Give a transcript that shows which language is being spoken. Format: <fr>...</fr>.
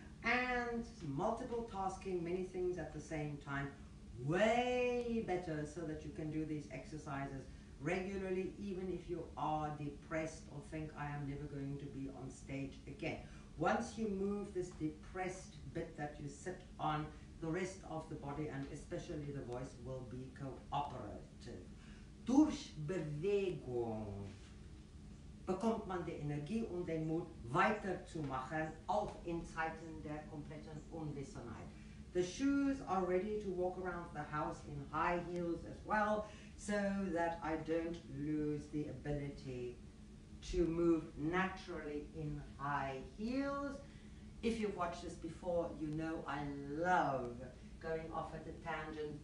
<en>And multiple tasking, many things at the same time, way better so that you can do these exercises regularly, even if you are depressed or think I am never going to be on stage again. Once you move this depressed bit that you sit on, the rest of the body and especially the voice will be cooperative.</en> <de>Durch Bewegung bekommt man die Energie und den Mut weiterzumachen, auch in Zeiten der kompletten Unwissenheit.</de> <en>The shoes are ready to walk around the house in high heels as well, so that I don't lose the ability to move naturally in high heels. If you've watched this before, you know I love going off at a tangent.</en>